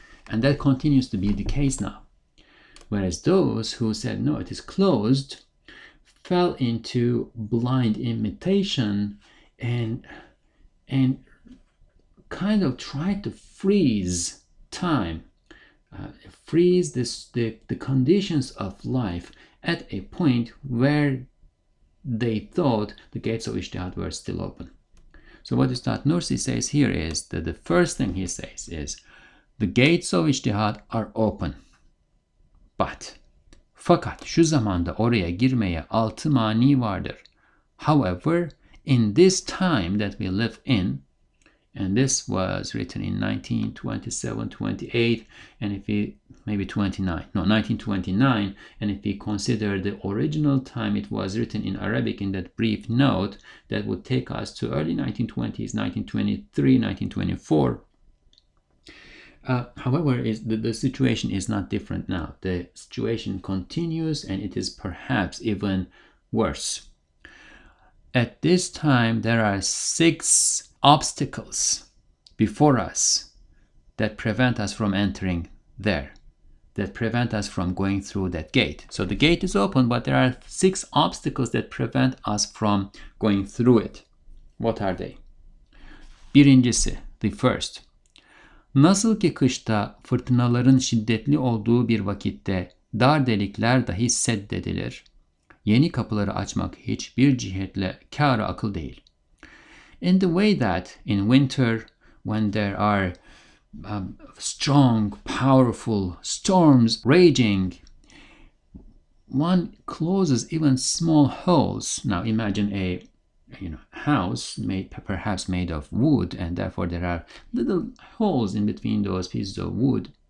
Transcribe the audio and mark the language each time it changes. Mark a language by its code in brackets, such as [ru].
[en] And that continues to be the case now. Whereas those who said, no, it is closed, fell into blind imitation and kind of tried to freeze time, freeze this the conditions of life at a point where they thought the gates of ijtihad were still open. So what Ustad Nursi says here is that the first thing he says is, the gates of ijtihad are open. But [tr] Fakat şu zamanda oraya girmeye altı mani vardır. [en] However, in this time that we live in, and this was written in 1927, 28, and if we, maybe 29, no, 1929, and if we consider the original time it was written in Arabic in that brief note, that would take us to early 1920s, 1923, 1924. However, the situation is not different now. The situation continues and it is perhaps even worse. At this time, there are six obstacles before us that prevent us from entering there, that prevent us from going through that gate. So the gate is open, but there are six obstacles that prevent us from going through it. What are they? [tr] Birincisi, [en] the first. [tr] Nasıl ki kışta fırtınaların şiddetli olduğu bir vakitte dar delikler dahi seddedilir, yeni kapıları açmak hiçbir cihetle kâr-ı akıl değil. [en] In the way that in winter, when there are strong, powerful storms raging, one closes even small holes. Now imagine a house made perhaps made of wood, and therefore there are little holes in between those pieces of wood.